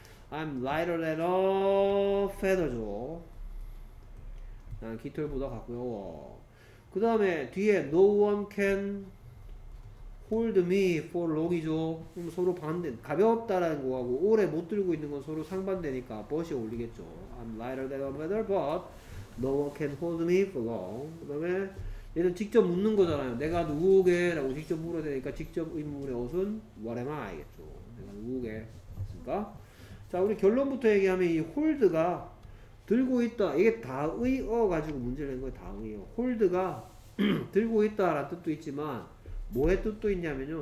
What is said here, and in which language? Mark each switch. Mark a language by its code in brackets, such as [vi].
[en] I'm lighter than a feather죠. [ko] 나는 깃털보다 가고요. 그 다음에 뒤에 [en] no one can hold me for long이죠. [ko] 그럼 서로 반대, 가볍다라는 거하고 오래 못 들고 있는 건 서로 상반되니까 but이 올리겠죠. [en] I'm lighter than a feather but no one can hold me for long. [ko] 그 다음에 얘는 직접 묻는 거잖아요. 내가 누구게? 라고 직접 물어야 되니까 직접 의문의 옷은 [en] what am I? [ko] 겠죠. 내가 누구게? 됐습니까? 자, 우리 결론부터 얘기하면 이 hold가 들고 있다. 이게 다의어 가지고 문제를 낸 거예요. 다의어. hold가 들고 있다 라는 뜻도 있지만 뭐의 뜻도 있냐면요.